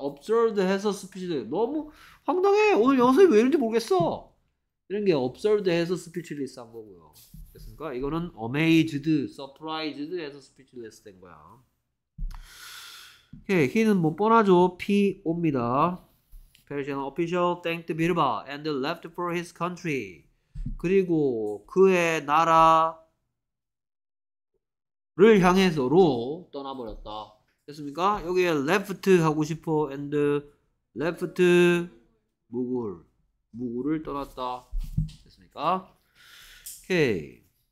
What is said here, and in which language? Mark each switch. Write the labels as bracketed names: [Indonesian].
[Korean] absurd해서 speechless. 너무 황당해. 오늘 여 선생님 왜 이런지 모르겠어. 이런 게 absurd해서 speechless 한 거고요. 됐습니까? 이거는 amazed, surprised 해서 speechless 된 거야. 오케이, he는 뭐 뻔하죠. PO입니다. [English] Persian official thanked Birba and left for his country. [Korean] 그리고 그의 나라를 향해서로 떠나버렸다. 됐습니까? 여기에 left 하고 싶어 [English] and left [Korean] 무굴. 무굴을 떠났다. 됐습니까? 오케이.